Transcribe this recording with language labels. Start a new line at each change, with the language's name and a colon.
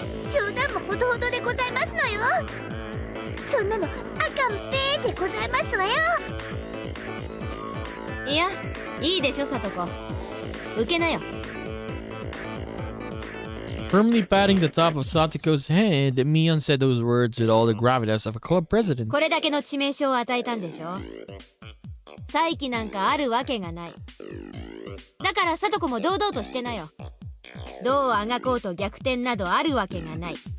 Japanese: 冗談もほどほどでございますのよ。そんなのあかんべーでございますわよ。いや、いいでしょ、サトコ。受けなよ。
English: Firmly patting the top of Satoko's head, Mion said those words with all the gravitas of a club president.
Japanese: これだけの致命傷を与えたんでしょ?再起なんかあるわけがない。だから佐藤子も堂々としてなよ。どうあがこうと逆転などあるわけがない。